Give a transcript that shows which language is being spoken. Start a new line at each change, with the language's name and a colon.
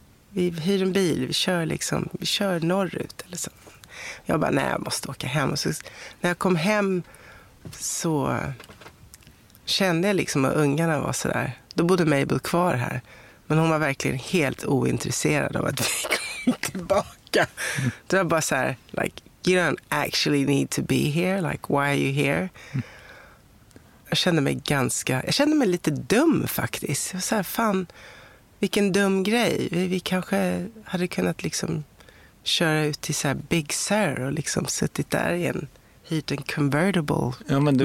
Swedish: Vi hyr en bil, vi kör norrut eller så. Jag bara, nej, jag måste åka hem. Och så, när jag kom hem så kände jag liksom att ungarna var så där. Då bodde Mabel kvar här. Men hon var verkligen helt ointresserad av att vi kom tillbaka. Då var bara så här,
English: like, you don't actually need to be here. Like, why are you here?
Swedish: Jag kände mig lite dum faktiskt. Jag var så här, fan, vilken dum grej. Vi kanske hade kunnat liksom... köra ut till så här Big Sur och liksom suttit där i en hyrten convertible, ja, men du